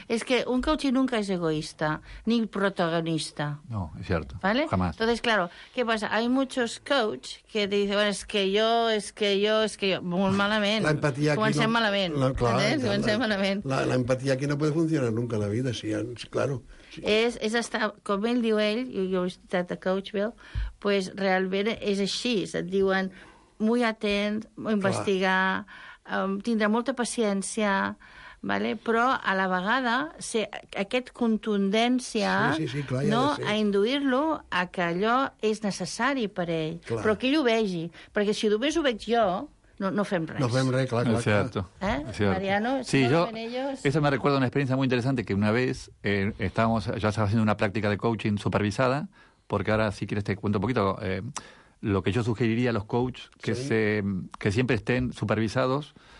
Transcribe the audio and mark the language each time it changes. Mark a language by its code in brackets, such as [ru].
[es] Es que un coach nunca es egoísta, ni protagonista. No, es cierto. ¿Vale? Jamás. Entonces, claro, ¿qué pasa? Hay muchos coach que dicen, bueno, es que yo. Muy malamente. La empatía aquí. [ca] Comencem malament. [es] La empatía aquí no puede funcionar nunca en la vida, sí, claro. [ca] És estar, com ell diu ell, jo he estat a Coachville, pues realment és així, et diuen molt atent, investigar, tindre molta paciència, ¿vale? Però a la vegada ser aquest contundència a induir-lo a que allò és necessari per ell, clar. Però que ell ho vegi, perquè si només ho veig jo... No fem res, [es] claro. Es cierto. ¿Eh? Mariano, sí, eso me recuerda una experiencia muy interesante, que una vez estaba haciendo una práctica de coaching supervisada, porque ahora, si quieres, te cuento un poquito lo que yo sugeriría a los coaches, que siempre estén supervisados.